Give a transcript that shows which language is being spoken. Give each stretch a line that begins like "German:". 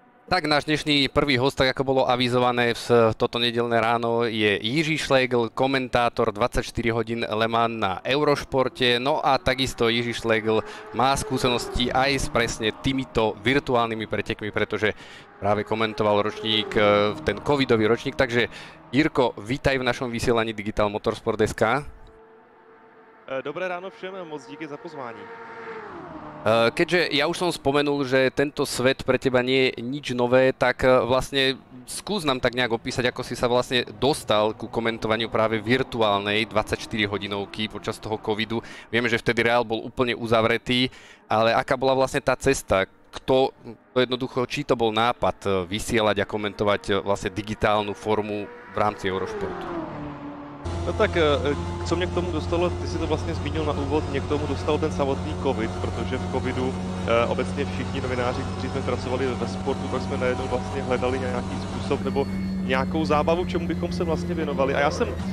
Slovak: Tak náš dnešný prvý host, tak ako bolo avizované v toto nedeľné ráno, je Jiří Šlégl, komentátor 24 hodín Le Mans na Eurošporte. No a takisto Jiří Šlégl má skúsenosti aj s presne týmito virtuálnymi pretekmi, pretože práve komentoval ročník, ten covidový ročník. Takže Jirko, vítaj v našom vysielaní Digital Motorsport SK.
Czech: Dobré ráno všem, moc díky za pozvání.
Slovak: Keďže ja už som spomenul, že tento svet pre teba nie je nič nové, tak vlastne skús nám tak nejak opísať, ako si sa vlastne dostal ku komentovaniu práve virtuálnej 24 hodinovky počas toho covidu. Vieme, že vtedy Real bol úplne uzavretý, ale aká bola vlastne tá cesta? Kto, jednoducho, či to bol nápad vysielať a komentovať vlastne digitálnu formu v rámci Eurošportu?
Czech: No tak, co mě k tomu dostalo, ty si to vlastně zmínil na úvod, mě k tomu dostal ten samotný covid, protože v covidu obecně všichni novináři, kteří jsme pracovali ve sportu, tak jsme najednou vlastně hledali nějaký způsob nebo nějakou zábavu, čemu bychom se vlastně věnovali. A já jsem